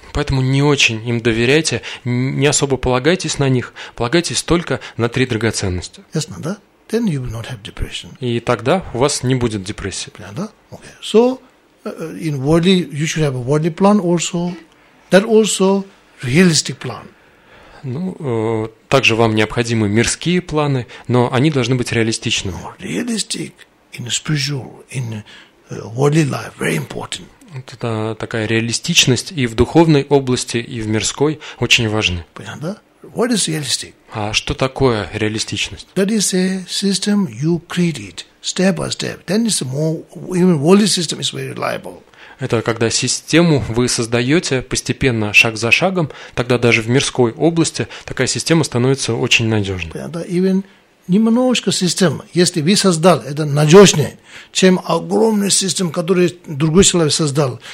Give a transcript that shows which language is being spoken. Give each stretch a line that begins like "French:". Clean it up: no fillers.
Russian: Поэтому не очень им доверяйте, не особо полагайтесь на них, полагайтесь только на три драгоценности. Ясно, да?
English: Then you will not have depression.
Russian: И тогда у вас не будет депрессии. Понятно, да? Okay.
English: So, in worldly, you should have a worldly plan also, that also realistic plan.
Russian: Ну, также вам необходимы мирские планы, но они должны быть реалистичными.
English: No, realistic in spiritual, in worldly life, very important.
Russian: Это такая реалистичность и в духовной области, и в мирской очень важны. Понятно, да?
English: What is realistic?
Russian: А что такое реалистичность?
English: That is a system you created step by step. Then it's a more, even worldly system is very reliable.
Russian: Это когда систему вы создаете постепенно, шаг за шагом, тогда даже в мирской области такая система становится очень надежной. Понятно, да? Even немножко систем, если вы создали, это надежнее, чем огромная система, которую другой человек создал.